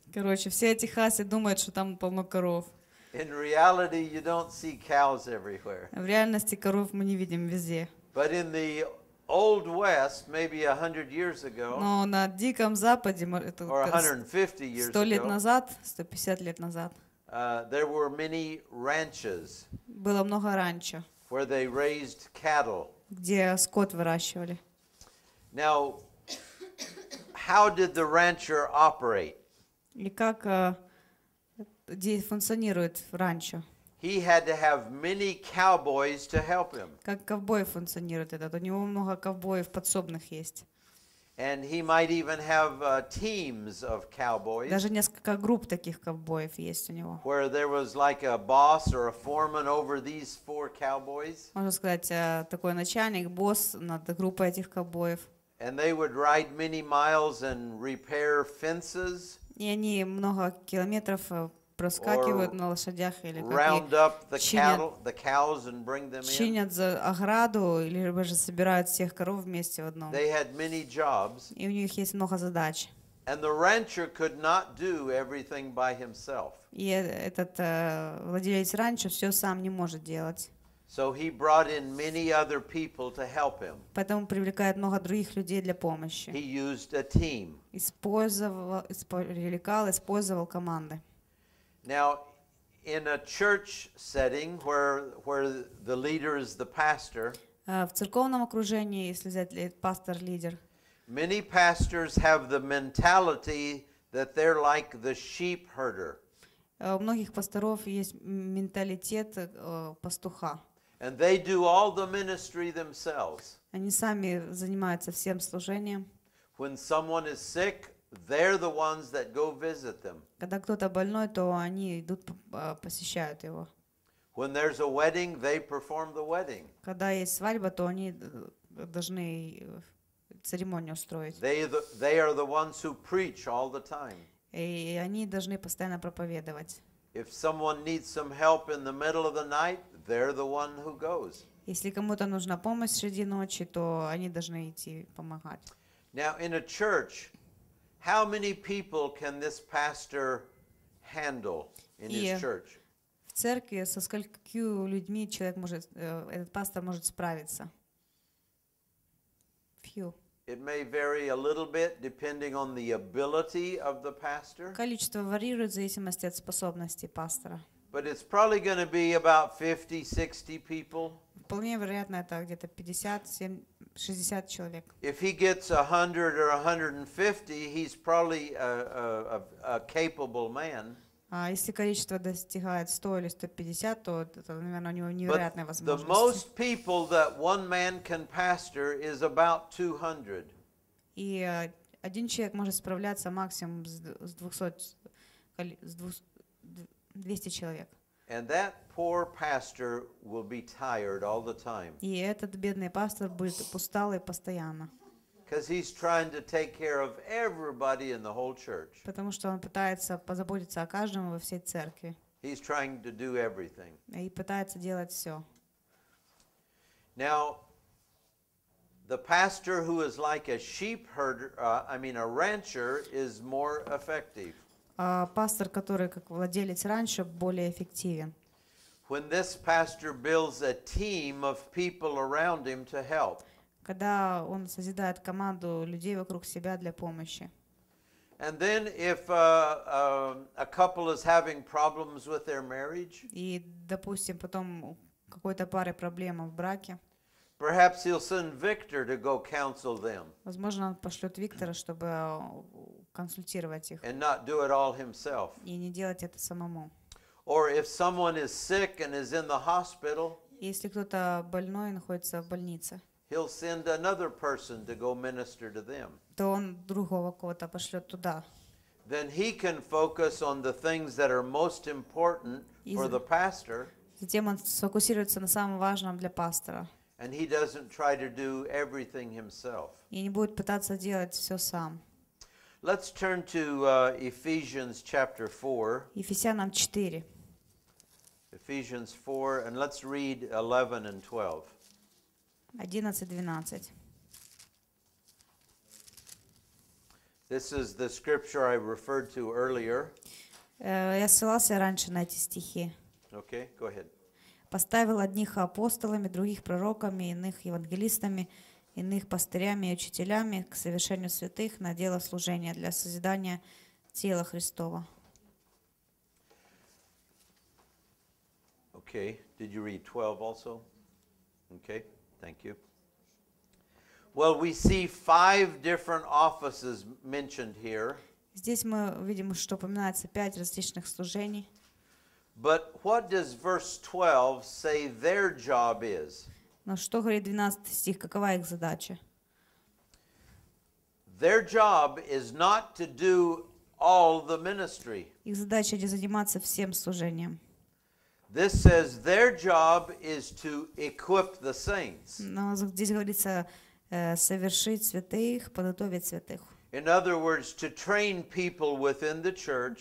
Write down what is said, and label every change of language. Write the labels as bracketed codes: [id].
[ru] Короче, все эти хасы думают, что там полно коров. [en] In reality, you don't see cows everywhere. [ru] В реальности коров мы не видим везде. [en] But in the Old West, maybe 100 years ago. [ru] Но на диком западе, [en] or 150 years ago. [ru] 100 лет назад, 150 лет назад. [en] There were many ranches. [ru] Было много ранчо. [en] Where they raised cattle. [ru] Где скот выращивали. [en] Now, how did the rancher operate? [ru] И как функционирует ранчо? [en] He had to have many cowboys to help him. [ru] Как ковбой функционирует этот? У него много ковбоев подсобных есть. [en] And he might even have teams of cowboys. [ru] Даже несколько групп таких ковбоев есть у него. [en] Where there was like a boss or a foreman over these four cowboys. [ru] Можно сказать, такой начальник, босс над группой этих ковбоев. [en] And they would ride many miles and repair fences. [ru] И они много километров проскакивают на лошадях или как-то [en] round up the cattle, the cows and bring them in. [ru] Чинят за ограду или же собирают всех коров вместе в одном. [en] They had many jobs. [ru] И у них есть много задач. [en] And the rancher could not do everything by himself. [ru] И этот владелец ранчо все сам не может делать. [en] So he brought in many other people to help him. [ru] Поэтому привлекает много других людей для помощи. [en] He used a team. [ru] Использовал команды. [en] Now, in a church setting where the leader is the pastor. [ru] В церковном окружении, если взять пастор лидер. [en] Many pastors have the mentality that they're like the sheep herder. [ru] У многих пасторов есть менталитет пастуха. [en] And they do all the ministry themselves. [ru] Они сами занимаются всем служением. [en] When someone is sick, they're the ones that go visit them. [ru] Когда кто-то больной, то они идут посещают его. [en] When there's a wedding, they perform the wedding. [ru] Когда есть свадьба, то они должны церемонию устроить. [en] They are the ones who preach all the time. [ru] И они должны постоянно проповедовать. [en] If someone needs some help in the middle of the night, they're the one who goes. [ru] Если кому-то нужна помощь среди ночи, то они должны идти помогать. [en] Now, in a church, how many people can this pastor handle in his church? [ru] В церкви со сколькими людьми человек может этот пастор может справиться? [en] Few. It may vary a little bit depending on the ability of the pastor. [ru] Количество варьирует в зависимости от способности пастора. [en] But it's probably going to be about 50, 60 people. [ru] Вполне вероятно, это где-то 50-60 человек. [en] If he gets 100 or 150, he's probably a capable man. [ru] А если количество достигает 100 или 150, то это, наверное, у него невероятная возможность. [en] The most people that one man can pastor is about 200. [ru] И один человек может справляться максимум с 200 человек. [en] And that poor pastor will be tired all the time. [ru] И этот бедный пастор будет усталый постоянно. [en] Because he's trying to take care of everybody in the whole church. [ru] Потому что он пытается позаботиться о каждом во всей церкви. [en] He's trying to do everything. [ru] И пытается делать все. [en] Now, the pastor who is like a sheep herder, a rancher, is more effective. [ru] Пастор, который как владелец ранчо, более эффективен. [en] When this pastor builds a team of people around him to help. [ru] Когда он созидает команду людей вокруг себя для помощи. [en] And then if a couple is having problems with their marriage. [ru] И, допустим, потом у какой-то пары проблема в браке. [en] Perhaps he'll send Victor to go counsel them. [ru] Возможно, он пошлет Виктора, чтобы консультировать их. [en] And not do it all himself. [ru] И не делать это самому. [en] Or if someone is sick and is in the hospital. [ru] Если кто-то больной и находится в больнице. [en] He'll send another person to go minister to them. [ru] То он другого кого-то пошлет туда. [en] Then he can focus on the things that are most important for the pastor. [ru] Затем он сфокусируется на самом важном для пастора. [en] And he doesn't try to do everything himself. [ru] И не будет пытаться делать все сам. [en] Let's turn to Ephesians chapter 4. [ru] Ефесянам 4. [en] Ephesians 4, and let's read 11 and 12. [ru] 11:12. [en] This is the scripture I referred to earlier. [ru] Я ссылался раньше на эти стихи. [en] Okay, go ahead. [ru] Поставил одних апостолами, других пророками, иных евангелистами, иных пастырями и учителями к совершению святых на дело служения для созидания тела Христова. [en] Okay, did you read 12 also? Okay. Thank you. Well, we see five different offices mentioned here. [ru] Здесь мы видим, что упоминается пять различных служений. [en] But what does verse 12 say their job is? [ru] Но что говорит 12 стих, какова их задача? [en] Their job is not to do all the ministry. [ru] Их задача не заниматься всем служением. [en] This says their job is to equip the saints. [ru] Но здесь говорится, совершить святых, подготовить святых. [en] In other words, to train people within the church.